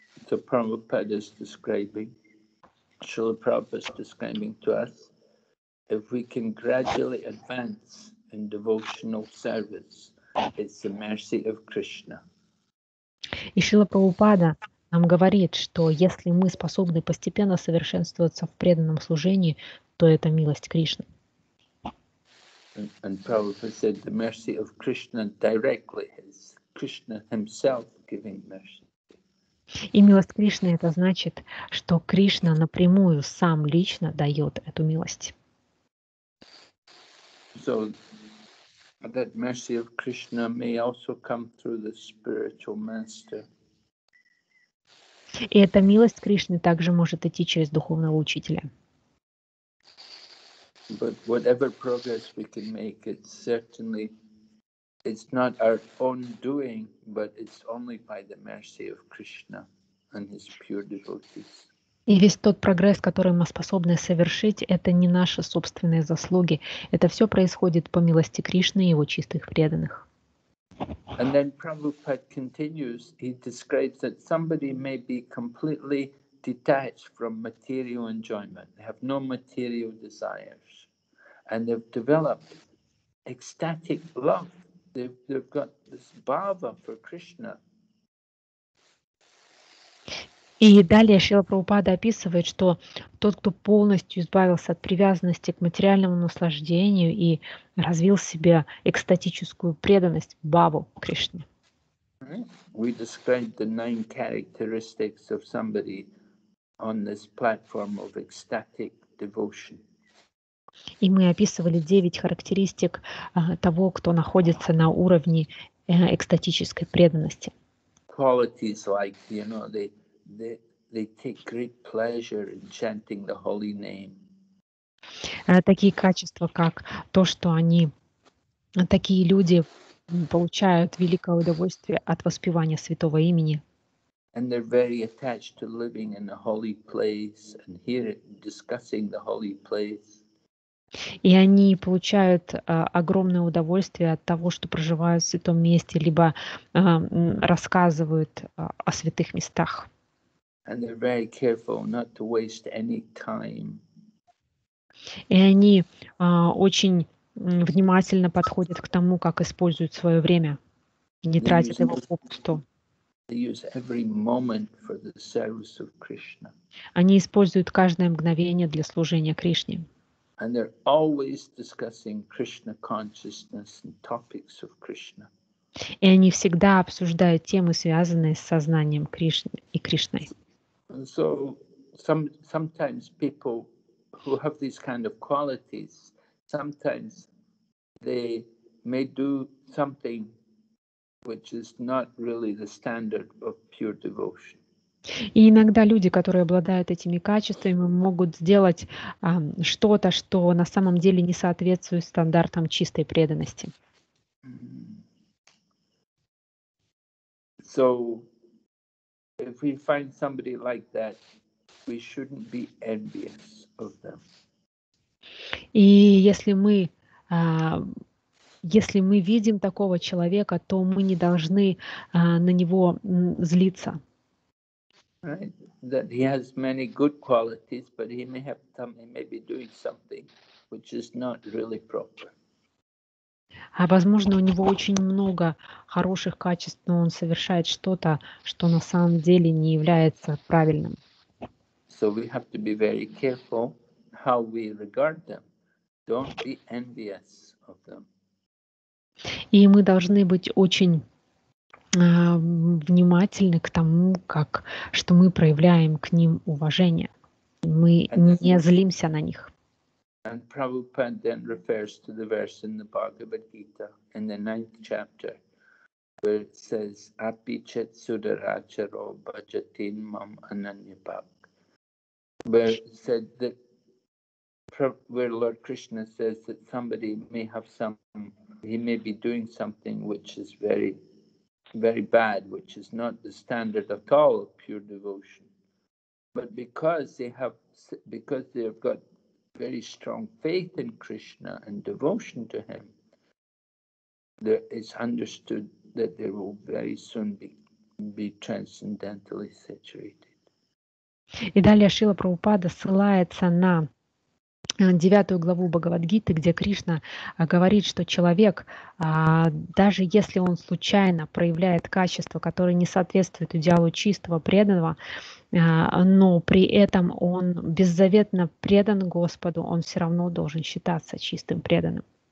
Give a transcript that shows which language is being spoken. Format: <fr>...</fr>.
<en>So Prabhupada is describing, Srila Prabhupada is describing to us, if we can gradually advance in devotional service, it's the mercy of Krishna.</en> <ru>И Шрила Прабхупада нам говорит, что если мы способны постепенно совершенствоваться в преданном служении, то это милость Кришны.</ru> <en>And Prabhupada said the mercy of Krishna directly is Krishna himself giving mercy.</en> <ru>И милость Кришны — это значит, что Кришна напрямую сам лично дает эту милость.</ru> <en>So that mercy of Krishna may also come through the spiritual master.</en> <ru>И эта милость Кришны также может идти через духовного учителя.</ru> <en>But whatever progress we can make, it's certainly it's not our own doing, but it's only by the mercy of Krishna and his pure devotees.</en> <ru>И весь тот прогресс, который мы способны совершить, это не наши собственные заслуги. Это все происходит по милости Кришны и его чистых преданных.</ru> <en>And then Prabhupada continues, he describes that somebody may be completely detached from material enjoyment, they have no material desires, and they've developed ecstatic love, they've got this bhava for Krishna.</en> <ru>И далее Шрила Прабхупада описывает, что тот, кто полностью избавился от привязанности к материальному наслаждению и развил в себе экстатическую преданность бхаву Кришне.</ru> <en>We described the nine characteristics of somebody on this platform of ecstatic devotion.</en> <ru>И мы описывали 9 характеристик того, кто находится на уровне экстатической преданности.</ru> <en>Qualities like, you know, they take great pleasure in chanting the holy name.</en> <ru>Такие качества, как то, что они, такие люди получают великое удовольствие от воспевания святого имени.</ru> <en>And they're very attached to living in a holy place and here discussing the holy place.</en> <ru>И они получают огромное удовольствие от того, что проживают в святом месте, либо рассказывают о святых местах.</ru> <en>And they're very careful not to waste any time.</en> <ru>И они очень внимательно подходят к тому, как используют свое время, не тратят его попусту.</ru> <en>They use every moment for the service of Krishna.</en> <ru>Они используют каждое мгновение для служения Кришне.</ru> <en>And they're always discussing Krishna consciousness and topics of Krishna.</en> <ru>И они всегда обсуждают темы, связанные с сознанием Кришны и Кришной.</ru> <en>And so sometimes people who have these kind of qualities, sometimes they may do something which is not really the standard of pure devotion.</en> <ru>И иногда люди, которые обладают этими качествами, могут сделать что-то, что на самом деле не соответствует стандартам чистой преданности.</ru> <en>So if we find somebody like that, we shouldn't be envious of them.</en> <ru>И если мы видим такого человека, то мы не должны на него злиться.</ru> <en>Right. That he has many good qualities, but he may have some, he may be doing something which is not really proper.</en> <ru>А возможно, у него очень много хороших качеств, но он совершает что-то, что на самом деле не является правильным.</ru> <en>So we have to be very careful how we regard them. Don't be envious of them.</en> <ru>И мы должны быть очень внимательны к тому, как что мы проявляем к ним уважение. Мы не злимся на них.</ru> <en>And Prabhupada then refers to the verse in the Bhagavad Gita in the 9th chapter where it says</en> <sa>api chet sudaracharo bhajatin mam ananyabhak,</sa> <en>where it said that where Lord Krishna says that somebody may have some, he may be doing something which is very very bad, which is not the standard at all of pure devotion, but because they have got very strong faith in Krishna and devotion to him, there is understood that they will very soon be transcendentally saturated.</en> <ru>И далее Шрила Прабхупада ссылается на 9 главу Бхагавад-гиты, где Кришна говорит, что человек, даже если он случайно проявляет качества, которые не соответствуют идеалу чистого преданного, но при этом он беззаветно предан Господу, он все равно должен считаться чистым преданным.</ru>